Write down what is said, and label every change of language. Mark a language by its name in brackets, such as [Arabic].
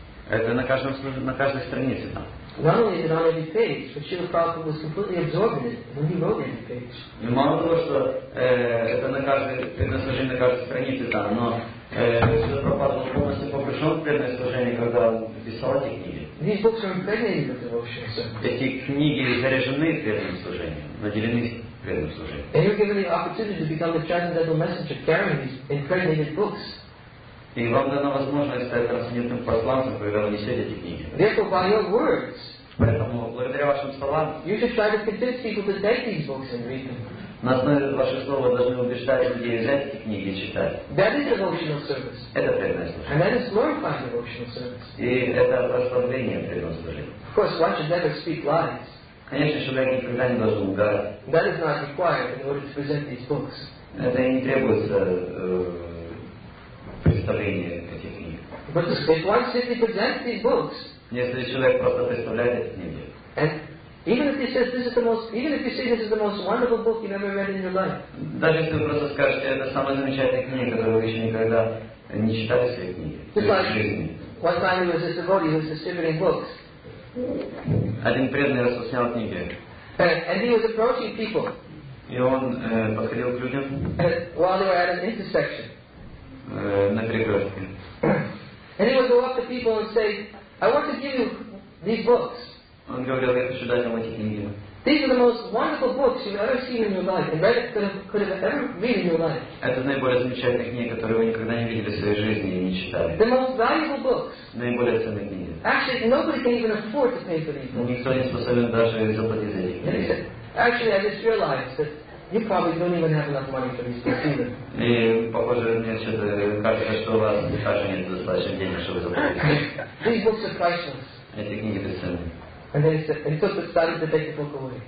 [Russian] Это на каждой странице там. И мало того, что это на преданное служение на каждой странице там, но Шрила Прабхупада был полностью погружен в преданное служение, когда он писал эти книги. [English] These books are impregnated with devotional service. [Russian] Эти книги заряжены преданным служением, наделены преданным служением. [English] And you're given the opportunity to become the transcendental messenger carrying these impregnated books. [Russian] И вам дана возможность стать трансцендентным посланцем, когда вы несете эти книги. [English] Therefore, by your words, [Russian] поэтому благодаря вашим словам, [English] you should try to convince people to take these books and read them. [Russian] На основе ваших слов вы должны убеждать людей взять эти книги и читать. [English] That is devotional service. [Russian] Это преданное служение. [English] And that is glorifying devotional service. [Russian] И это прославление преданного служения. [English] Of course, one should never speak lies. [Russian] Конечно, человек никогда не должен лгать. [English] That is not required in order to present these books. [Russian] Это и не требуется представление этих книг. [English] But if one simply presents these books, [Russian] если человек просто представляет эти книги, [English] even if you say this is the most wonderful book you've ever read in your life. [Russian] Даже если вы просто скажете, это самая замечательная книга, которую вы еще никогда не читали в своей книге. [English] One time he was a devotee who was distributing books. [Russian] Один преданный распространял книги. [English] And he was approaching people. [Russian] И он подходил к людям. [English] While they were at an intersection. [Russian] На перекрестке. [English] And he would go up to people and say, I want to give you these books. [Russian] Он говорил, я хочу дать вам эти книги. [English] These are the most wonderful books you've ever seen in your life, and read could have ever read in your life. [Russian] Это наиболее замечательные книги, которые вы никогда не видели в своей жизни и не читали. [English] The most valuable books. [Russian] Наиболее ценные книги. [English] Actually, nobody can even afford to pay for these books. [Russian] Никто не способен даже заплатить за эти книги. [English] Actually, I just realized that you probably don't even have enough money for these books either. [Russian] И похоже, мне кажется, что у вас даже нет достаточно денег, чтобы заплатить. [English] These books are priceless. [Russian] Эти книги бесценны. [English] And then he started to take the book away.